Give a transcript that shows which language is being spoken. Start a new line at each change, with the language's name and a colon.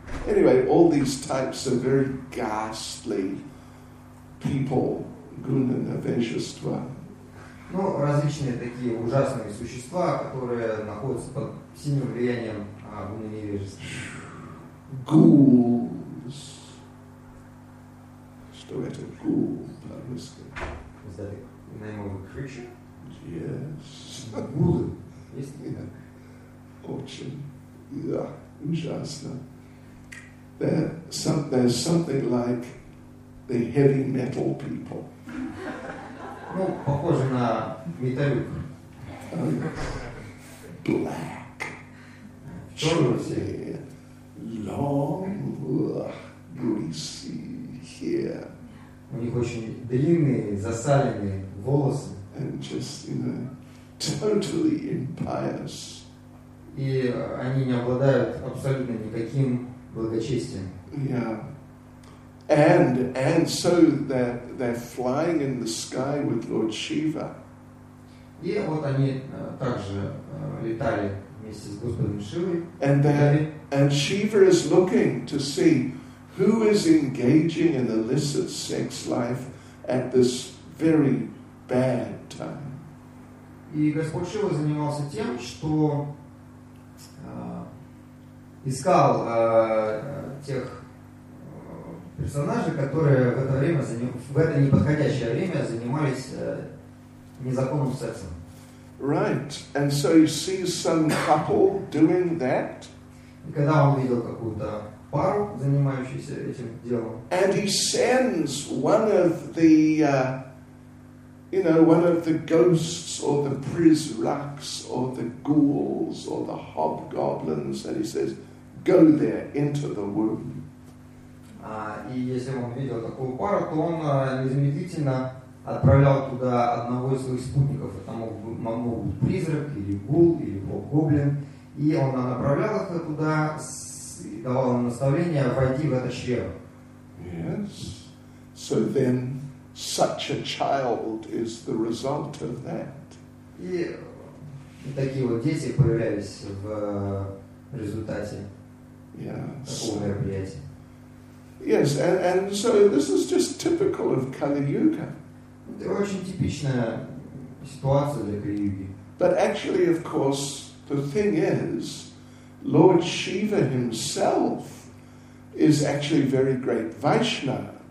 English: Anyway, all these types of very ghastly people.
Russian: Гуна-навешества. Ну, различные такие ужасные существа, которые находятся под сильным влиянием гуна-навешества. Гулс. Что это? Гул по-русски.
English: Is that the name of a creature? Yes.
Russian: Гулы. Есть ли? Очень. Да, ужасно.
English: There's something like the heavy metal people.
Russian: Ну, похоже на металлюк.
English: Black.
Russian: Черный.
English: Long. Greasy hair.
Russian: У них очень длинные, засаленные волосы.
English: And just, you know, totally impious.
Russian: И они не обладают абсолютно никаким благочестием.
English: Yeah. And so they're flying in the sky with Lord Shiva.
Russian: И вот они также летали вместе с Господом Шивой.
English: And Shiva is looking to see who is engaging in illicit sex life at this very bad time.
Russian: И Господь Шива занимался тем, что искал тех персонажи, которые в это время в это неподходящее время занимались незаконным сексом.
English: Right. And so you see some couple doing that.
Russian: И когда он видел какую-то пару, занимающуюся этим делом.
English: And he sends one of the one of the ghosts or the prizraks or the ghouls or the hobgoblins, and he says, go there into the womb.
Russian: И если он видел такую пару, то он незамедлительно отправлял туда одного из своих спутников. Это мог быть призрак, или гул, или гоблин. И он направлял их туда, и давал им наставление войти в это чрево.
English: Yes. So then such a child is the result of that.
Russian: И такие вот дети появлялись в результате такого мероприятия.
English: Yes, and so this is just typical of Kali Yuga.
Russian: Это очень типичная ситуация для Кали Юги.
English: But actually, of course, the thing is, Lord Shiva himself is actually very great Vaishnava.